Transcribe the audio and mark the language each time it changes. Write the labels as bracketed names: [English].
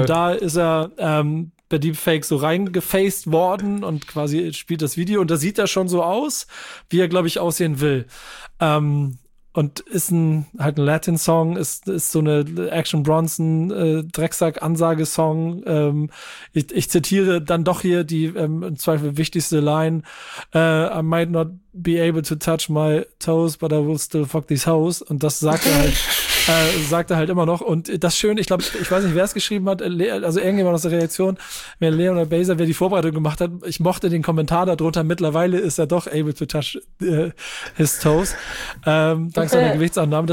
[German] Und da ist er bei Deepfake so reingefaced worden und quasi spielt das Video und da sieht er schon so aus, wie er glaube ich aussehen will. Und ist ein Latin-Song, ist so eine Action-Bronson-Drecksack-Ansage-Song. Ich zitiere dann doch hier die im Zweifel wichtigste Line. [English] I might not be able to touch my toes, but I will still fuck this house. [German] Und das sagt er halt immer noch. Und das Schöne, ich glaube, ich weiß nicht, wer es geschrieben hat, also irgendjemand aus der Reaktion, wer Leon oder Baser, wer die Vorbereitung gemacht hat, ich mochte den Kommentar darunter, mittlerweile ist er doch [English] able to touch his toes, [German] dank seiner Gewichtsannahme.